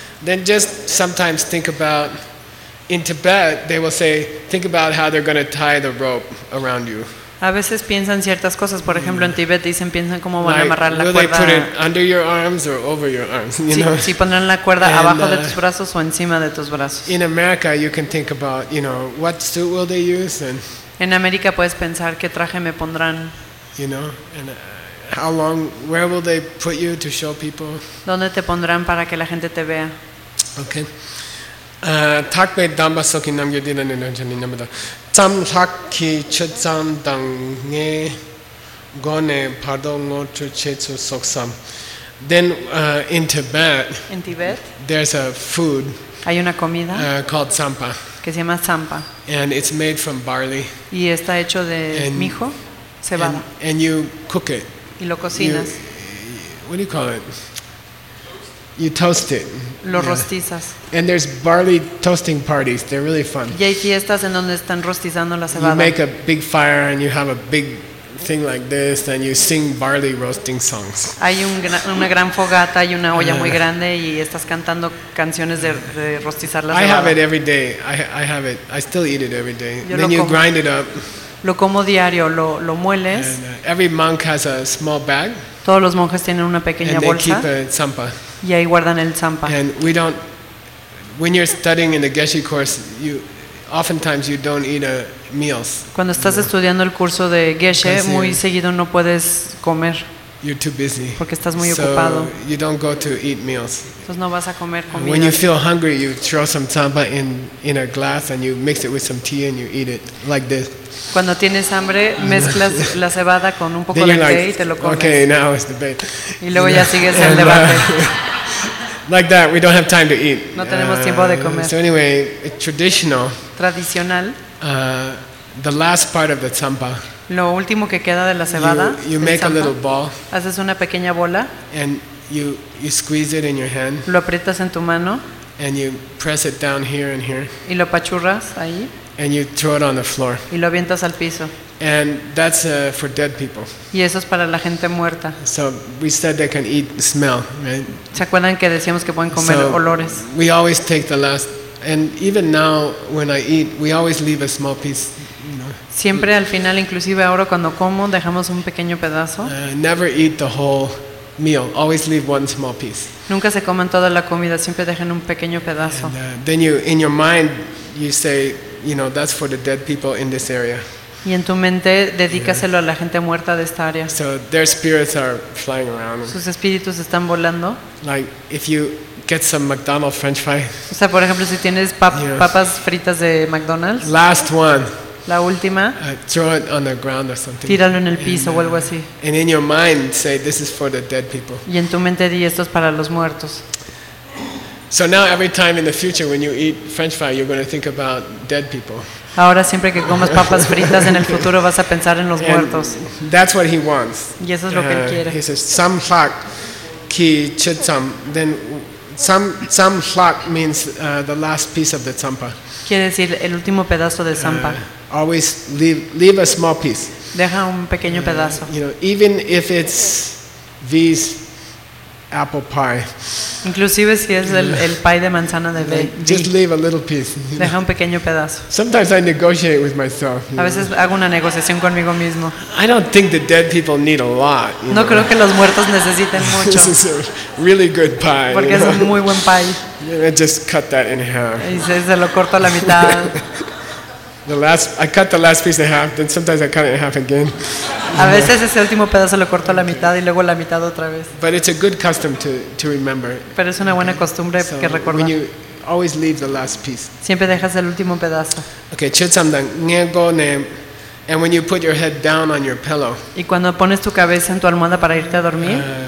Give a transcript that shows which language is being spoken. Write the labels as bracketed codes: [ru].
[en] Then just sometimes think about, in Tibet, they will say, think about how they're going to tie the rope around you. [es] A veces piensan ciertas cosas, por ejemplo, en Tibet dicen, piensan cómo van a amarrar la cuerda. [en] Put it under your arms or over your arms, you know? [es] Si pondrán la cuerda abajo de tus brazos o encima de tus brazos. [en] In America you can think about, you know, what suit will they use, and [es] en América puedes pensar qué traje me pondrán. [en] You know, and How long? Where will they put you to show people? [es] ¿Dónde te pondrán para que la gente te vea? [en] Okay. 탁배 담바석이 남겨지는 인원전입니다. 참사키 출장당의 건의 파동어 출체수 속삼. Then in Tibet. In Tibet. There's a food. [es] Hay una comida. [en] Called sampa. [es] Que se llama sampa. [en] And it's made from barley. [es] Y está hecho de mijo, cebada. [en] And you cook it. [es] Y lo cocinas. [en] What do you call it? You toast it. [es] Lo rostizas. [en] And there's barley toasting parties. They're really fun. [es] Y hay fiestas en donde están rostizando la cebada. [en] You make a big fire and you have a big thing like this and you sing barley roasting songs. [es] Hay una gran fogata y una olla muy grande y estás cantando canciones de rostizar la cebada. [en] I have it every day. I have it. I still eat it every day. [es] Yo [en] then you grind it up. [es] Lo como diario, lo mueles. [en] Every monk has a small bag. [es] Todos los monjes tienen una pequeña [en] and [es] bolsa. [en] They keep a sampa. [es] Y ahí guardan el sampa. [en] And we don't. When you're studying in the Geshe course, you oftentimes you don't eat meals. [es] Cuando estás estudiando el curso de Geshe, muy seguido no puedes comer. [en] You're too busy. [es] Porque estás muy [en] so [es] ocupado. [en] You don't go to eat meals. [es] Entonces no vas a comer comida. [en] When you feel hungry, you throw some sampa in a glass and you mix it with some tea and you eat it like this. [es] Cuando tienes hambre, mezclas la cebada con un poco [en] then [es] de té [en] like, [es] y te lo comes. [en] Okay, now it's debate. [es] Y luego ya sigues el debate. [en] Like that, we don't have time to eat. [es] No tenemos tiempo de comer. [en] So anyway, traditional. [es] Tradicional. [en] The last part of the sampa. [es] Lo último que queda de la cebada. [en] You make sampa, a little ball. [es] Haces una pequeña bola. [en] And you squeeze it in your hand. [es] Lo aprietas en tu mano. [en] And you press it down here and here. [es] Y lo pachurras ahí. [en] And you throw it on the floor. [es] Y lo avientas al piso. [en] And that's for dead people. [es] Y eso es para la gente muerta. [en] So we said they can eat smell, right? [es] ¿Se acuerdan que decíamos que pueden comer [en] so [es] olores? [en] We always take the last, and even now when I eat, we always leave a small piece. [es] Siempre al final, inclusive ahora cuando como, dejamos un pequeño pedazo. [en] Never eat the whole meal. Always leave one small piece. [es] Nunca se coman toda la comida. Siempre dejen un pequeño pedazo. [en] Then you, in your mind, you say, you know, that's for the dead people in this area. [es] Y en tu mente, dedícaselo a la gente muerta de esta área. [en] So their spirits are flying around. [es] Sus espíritus están volando. [en] Like if you get some McDonald's French fry. [es] O sea, por ejemplo, si tienes papas fritas de McDonald's. [en] Last one. [es] La última. [en] Throw it on the ground or something. [es] Tíralo en el piso o algo así. [en] And in your mind say this is for the dead people. [es] Y en tu mente di esto es para los muertos. [en] So now every time in the future when you eat French fry you're going to think about dead people. [es] Ahora siempre que comas papas fritas en el futuro vas a pensar en los [en] and [es] muertos. [en] That's what he wants. [es] Y eso es lo que él quiere. [en] He says [bo] some fuck ki chitam [en] then some fuck means the last piece of the sampa. [es] Quiere decir el último pedazo de sampa. [en] Always leave a small piece. [es] Deja un pequeño pedazo. [en] You know, even if it's V's apple pie. [es] Inclusive si es el pie de manzana de V. [en] Just leave a little piece. [es] Deja un pequeño pedazo. [en] Sometimes I negotiate with myself. [es] A veces hago una negociación conmigo mismo. [en] I don't think the dead people need a lot. [es] No creo que los muertos necesiten mucho. [en] This is a really good pie. [es] Porque es un muy buen pie. [en] I just cut that in half. [es] Y se lo corto a la mitad. [en] I cut the last piece in half, then sometimes I cut it in half again. [es] A veces ese último pedazo lo corto a la mitad y luego la mitad otra vez. [en] But it's a good custom to remember. [es] Pero es una buena costumbre que recordar. [en] When you always leave the last piece. [es] Siempre dejas el último pedazo. [bo] Okay, chitsamdang ngego ne. [en] And when you put your head down on your pillow. [es] Y cuando pones tu cabeza en tu almohada para irte a dormir.